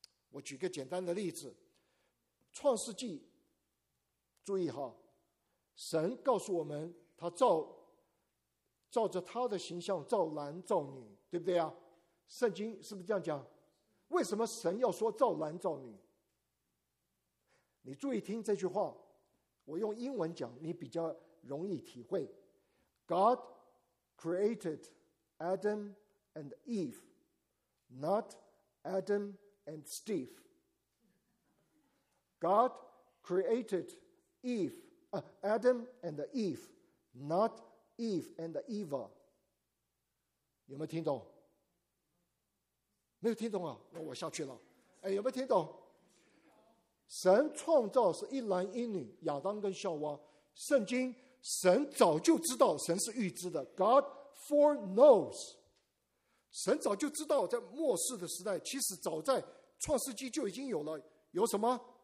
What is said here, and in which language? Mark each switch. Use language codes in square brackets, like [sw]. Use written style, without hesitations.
[zh] 我举个简单的例子，创世纪，注意哈，神告诉我们他照着他的形象造男造女，对不对啊？圣经是不是这样讲？为什么神要说造男造女？你注意听这句话，我用英文讲你比较容易体会。 [en] God created Adam and Eve, not Adam and Steve. God created Adam and Eve, not Eve and Eva. [zh] 有没有听懂？没有听懂啊，那我下去了。哎，有没有听懂？神创造是一男一女，亚当跟夏娃。圣经神早就知道，神是预知的。 [en] God foreknows， [zh] 神早就知道，在末世的时代，其实早在创世纪就已经有了，有什么？